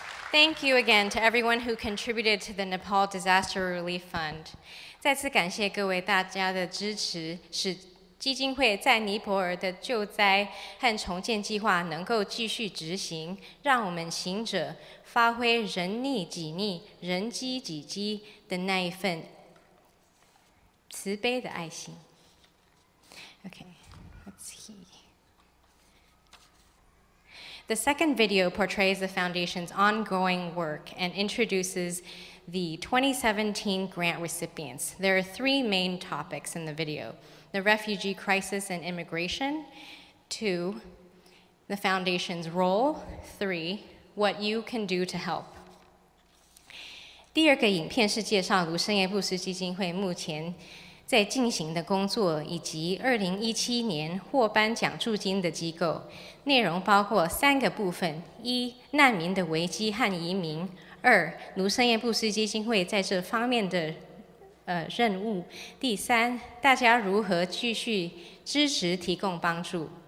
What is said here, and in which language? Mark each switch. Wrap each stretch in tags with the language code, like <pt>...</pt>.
<en>Thank you again to everyone who contributed to the Nepal Disaster Relief Fund.</en> <zh>再次感谢各位大家的支持，使基金会在尼泊尔的救灾和重建计划能够继续执行，让我们行者发挥人逆己逆、人机己机的那一份慈慈悲的爱心。</zh> <en>Okay, let's see. The second video portrays the foundation's ongoing work and introduces the 2017 grant recipients. There are three main topics in the video: the refugee crisis and immigration, 2, the foundation's role, 3, what you can do to help.</en> <zh>第二个影片是介绍卢森叶布斯基金会目前在进行的工作，以及2017年获颁奖助金的机构。内容包括三个部分：一、难民的危机和移民；二、卢森叶布斯基金会在这方面的任务；第三，大家如何继续支持提供帮助。</zh>